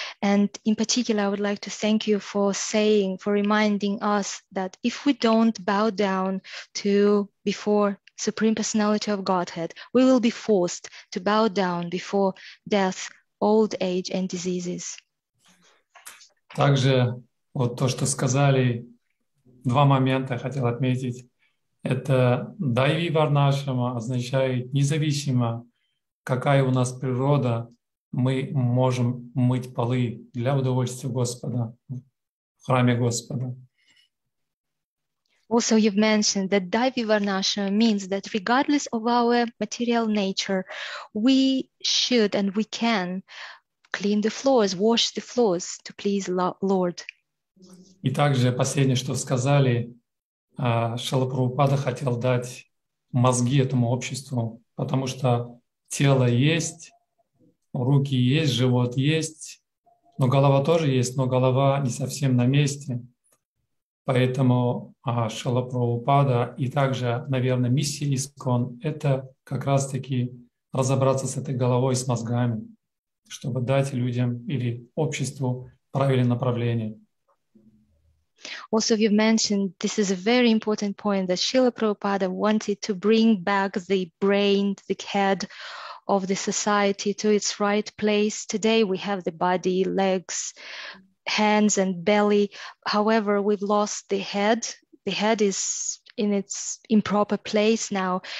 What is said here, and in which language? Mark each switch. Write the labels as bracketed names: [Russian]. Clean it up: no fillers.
[English] And in particular, I would like to thank you for saying, for reminding us that if we don't bow down to before Supreme Personality of Godhead, we will be forced to bow down before death, old age and diseases. [Russian] Также вот то, что сказали, два момента я хотел отметить. Это дайви варнашама означает независимо, какая у нас природа, мы можем мыть полы для удовольствия Господа в храме Господа. [English] Also, you've mentioned that dayvi varnashrama means that regardless of our material nature, we should and we can clean the floors, wash the floors to please Lord. [Russian] И также последнее, что сказали. Шрила Прабхупада хотел дать мозги этому обществу, потому что тело есть, руки есть, живот есть, но голова тоже есть, но голова не совсем на месте. Поэтому Шрила Прабхупада и также, наверное, миссия ИСККОН — это как раз-таки разобраться с этой головой, с мозгами, чтобы дать людям или обществу правильное направление. [English] Also, you've mentioned this is a very important point that Srila Prabhupada wanted to bring back the brain, the head of the society to its right place. Today we have the body, legs, hands and belly. However, we've lost the head. The head is in its improper place now.